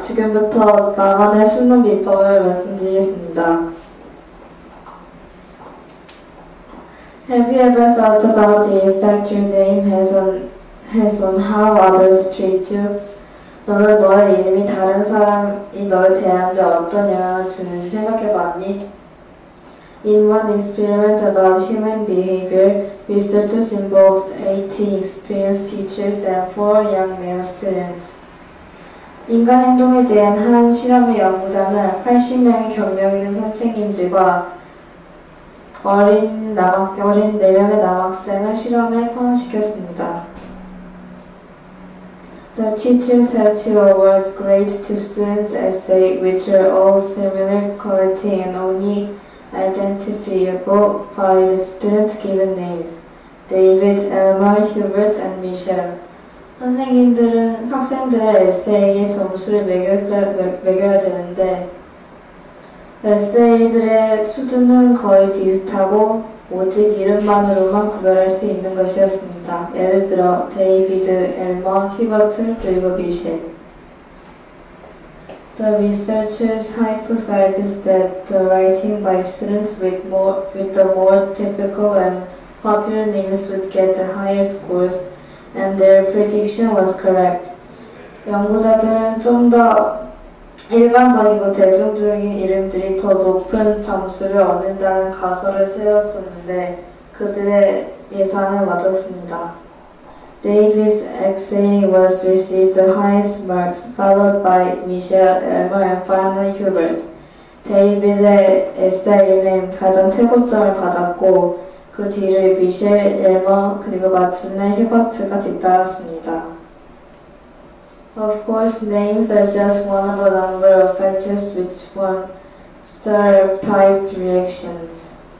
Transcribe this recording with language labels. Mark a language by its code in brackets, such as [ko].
[ko] 지금부터 나만의 수능 비법을 말씀드리겠습니다. [en] Have you ever thought about the effect your name has on how others treat you? [ko] 너는 너의 이름이 다른 사람이 너를 대하는데 어떤 영향을 주는지 생각해봤니? [en] In one experiment about human behavior, researchers involved 18 experienced teachers and 4 young male students. [ko] 인간 행동에 대한 한 실험의 연구자는 80명의 경력 있는 선생님들과 어린 4명의 남학생을 실험에 포함시켰습니다. [en] The teachers have to award grades to students' essays, which are all similar quality and only identifiable by the students' given names, David, Elmer, Hubert, and Michelle. [ko] 선생님들은 학생들의 에세이에 점수를 매겨야 되는데, 에세이들의 수준은 거의 비슷하고, 오직 이름만으로만 구별할 수 있는 것이었습니다. 예를 들어, 데이비드, 엘머, 휴버트, 그리고 미셸. [en] The researchers hypothesized that the writing by students with the more typical and popular names would get the higher scores, and their prediction was correct. [ko] 연구자들은 좀더 일반적이고 대중적인 이름들이 더 높은 점수를 얻는다는 가설을 세웠었는데, 그들의 예상은 맞았습니다. [en] David's essay was received the highest marks, followed by Michelle, Elmer, and finally Hubert. [ko] David의 에세이는 가장 최고점을 받았고, 그 뒤를 미셸, 엘머, 그리고 마침내 휴버트가 뒤따랐습니다. [en] Of course, names are just one of a number of factors which form stereotyped reactions.